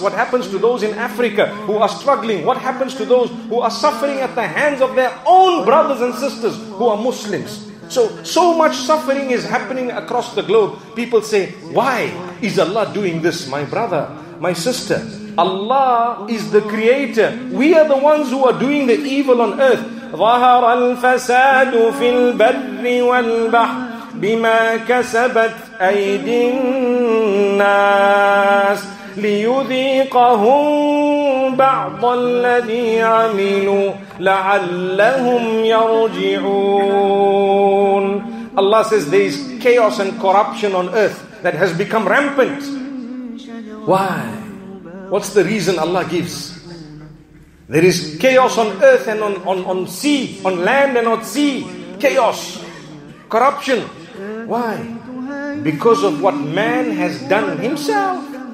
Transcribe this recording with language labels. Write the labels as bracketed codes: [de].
[en] What happens to those in Africa who are struggling? What happens to those who are suffering at the hands of their own brothers and sisters who are Muslims? So much suffering is happening across the globe. People say, why is Allah doing this? My brother, my sister, Allah is the creator. We are the ones who are doing the evil on earth. [ar] ظهر الفساد في البر والبحر بما كسبت أيدي الناس ليذيقهم بعض الذي عملوا لعلهم يرجعون. [en] Allah says there is chaos and corruption on earth that has become rampant. Why? What's the reason Allah gives? There is chaos on earth and on sea, on land and on sea. Chaos, corruption. Why? Because of what man has done himself.